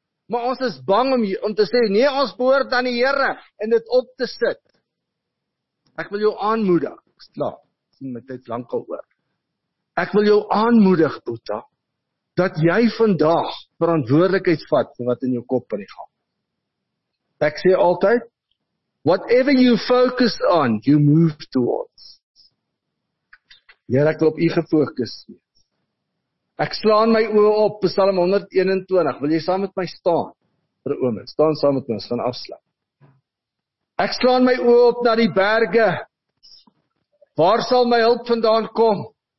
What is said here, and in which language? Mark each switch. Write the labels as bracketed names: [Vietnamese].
[Afrikaans] Maar ons is bang om te sê, nee, ons behoort aan die Here en dit op te sit. Ek wil jou aanmoedig, ek wil jou aanmoedig, Boeta, dat jy vandag verantwoordelikheid vat vir wat in jou kop in die gang. [English] Ek sê altyd, whatever you focus on, you move towards. [Afrikaans] Heer, ek wil op u gefokus wees. Ek slaan my oë op, Psalm 121, wil jy saam met my staan, vir 'n oomblik, staan saam met ons, van afslag. Ek slaan my oë op na die berge, waar sal my hulp vandaan kom?